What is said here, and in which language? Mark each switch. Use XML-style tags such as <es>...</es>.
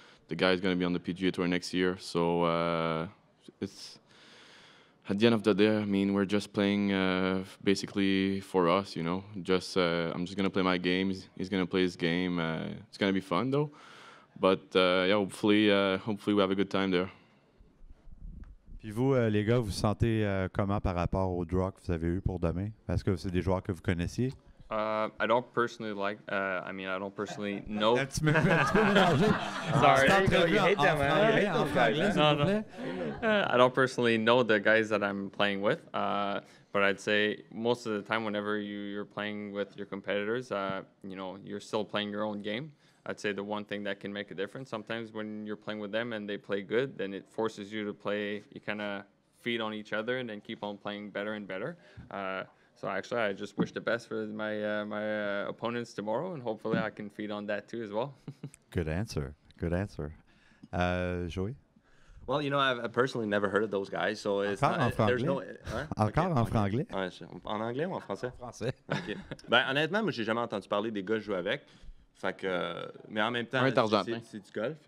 <en>The guy is going to be on the PGA Tour next year. So it's at the end of the day, I mean, we're just playing basically for us, you know. I'm just going to play my game. He's going to play his game. It's going to be fun, though. But yeah, hopefully we have a good time there.</en> <fr>Puis vous, les gars, vous sentez comment par rapport au draw que vous avez eu pour demain? Parce que c'est des joueurs que vous connaissiez.</fr> <en>I don't personally like. I mean, I don't personally know. That's me. Sorry. No. I don't personally know the guys that I'm playing with. But I'd say most of the time, whenever you're playing with your competitors, you know, you're still playing your own game. I'd say the one thing that can make a difference sometimes when you're playing with them and they play good, then it forces you to play, you kind of feed on each other and then keep on playing better and better. So actually, I just wish the best for my opponents tomorrow, and hopefully I can feed on that too as well. Good answer. Joey? Well, you know, I've personally never heard of those guys, so it's</en> <fr>encore</fr> <en>not,</en> <fr>en</fr> <en>there's no...</en> <fr>Hein? Encore okay. En franglais? En anglais ou en français? En français. Okay. Ben, honnêtement, moi, j'ai jamais entendu parler des gars que je joue avec. Fait que, mais en même temps, c'est du golf.</fr>